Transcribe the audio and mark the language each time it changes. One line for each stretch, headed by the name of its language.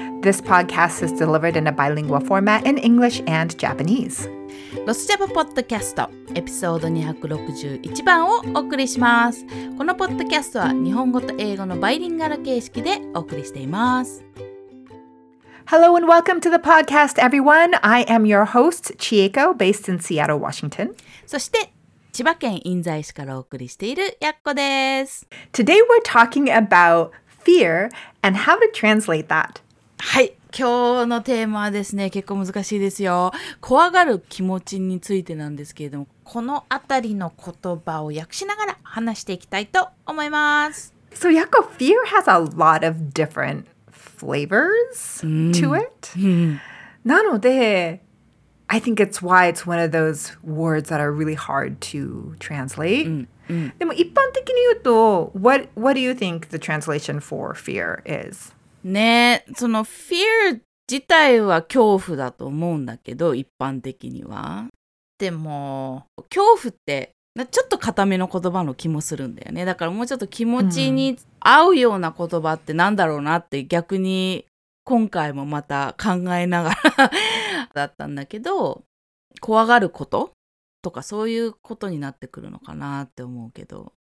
English: This podcast is delivered in a bilingual format in English and Japanese.
Japanese: ロスジャパポッドキャストエピソード261番をお送りします。このポッドキャストは日本語と英語のバイリンガル形式でお送りしています。
English: Hello and welcome to the podcast everyone. I am your host Chieko, based in Seattle, Washington.
Japanese: そして千葉県印西市からお送りしているやっこです。
English: Today we're talking about fear and how to translate that.
Japanese: はい、今日のテーマはですね、結構難しいですよ。怖がる気持ちについてなんですけれども、このあたりの言葉を訳しながら話していきたいと思います。
English: So, Yako, fear has a lot of different flavors to it.
Japanese: なので、
English: I think it's why it's one of those words that are really hard to translate.
Japanese: でも一般的に言うと、
English: what do you think the translation for fear is?
Japanese: ね、その fear 自体は恐怖だと思うんだけど、一般的には。でも、恐怖ってちょっと固めの言葉の気もするんだよね。だからもうちょっと気持ちに合うような言葉ってなんだろうなって逆に今回もまた考えながらだったんだけど、怖がることとかそういうことになってくるのかなって思うけど。